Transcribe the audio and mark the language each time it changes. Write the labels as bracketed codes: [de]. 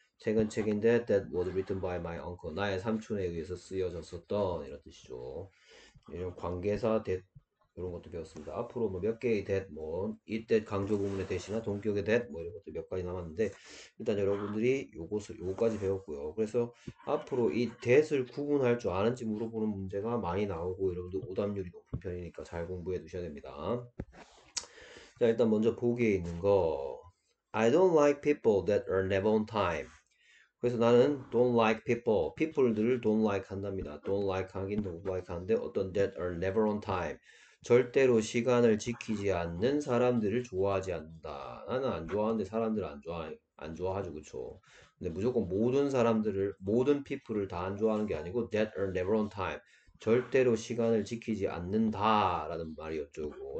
[ko] 최근 책인데 [en] that was written by my uncle. [ko] 나의 삼촌에 의해서 쓰여졌었던 이런 뜻이죠. 이런 관계사 대 이런 것도 배웠습니다. 앞으로 뭐몇 개의 that, 뭐 it that 강조 부분의 that이나 동격의 that 뭐 이런 것도 몇 가지 남았는데 일단 여러분들이 요까지 배웠고요. 그래서 앞으로 이 that을 구분할 줄 아는지 물어보는 문제가 많이 나오고 여러분들 오답률이 높은 편이니까 잘 공부해 두셔야 됩니다. 자, 일단 먼저 보기에 있는 거 [en] I don't like people that are never on time. [ko] 그래서 나는 [en] don't like people, [ko] people들을 don't like 한답니다. [en] don't like 하긴 don't like 하는데 어떤 that are never on time. [ko] 절대로 시간을 지키지 않는 사람들을 좋아하지 않는다. 나는 안 좋아하는데 사람들을 안 좋아하죠, 그쵸? 근데 무조건 모든 사람들을, 모든 people을 다안 좋아하는 게 아니고, [en] that are never on time. [ko] 절대로 시간을 지키지 않는다라는 말이었죠.